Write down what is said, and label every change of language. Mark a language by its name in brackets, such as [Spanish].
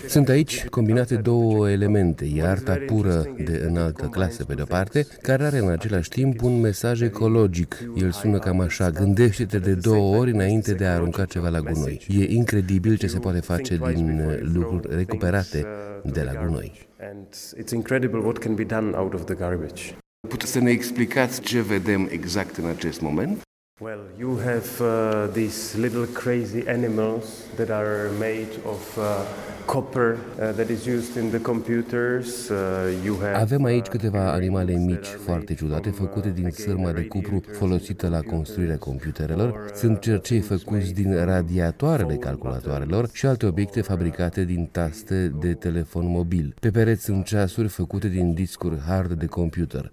[Romanian] Sunt aici combinate două elemente, e arta pură de înaltă clasă pe de-o parte, care are în același timp un mesaj ecologic. El sună cam așa, gândește-te de două ori înainte de a arunca ceva la gunoi. E incredibil ce se poate face din lucruri recuperate de la gunoi. [English] And it's incredible what can be done out of the garbage. [Romanian] Puteți să ne explicați ce vedem exact în acest moment? [English] Well, you have these little crazy animals that are made of copper that is used in the computers. [Romanian] Avem aici câteva animale mici, foarte ciudate, făcute din sârmă de cupru folosită la construirea computerelor. Sunt cercei făcuți din radiatoarele calculatoarelor și alte obiecte fabricate din taste de telefon mobil. Pe pereți sunt ceasuri făcute din discuri hard de computer.